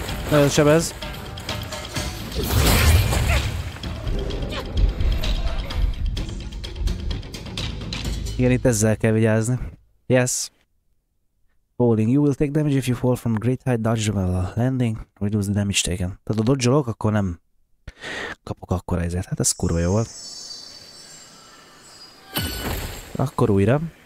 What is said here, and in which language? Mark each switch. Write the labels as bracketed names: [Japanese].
[Hungarian] Nagyon sebez. Igen, itt ezzel kell vigyázni. [English] Yes. Falling. You will take damage if you fall from great height, dodge the landing, reduce the damage taken. [Hungarian] Tehát ha dodge-olok, akkor nem kapok akkora ezért. Hát ez kurva jó volt. Akkor újra.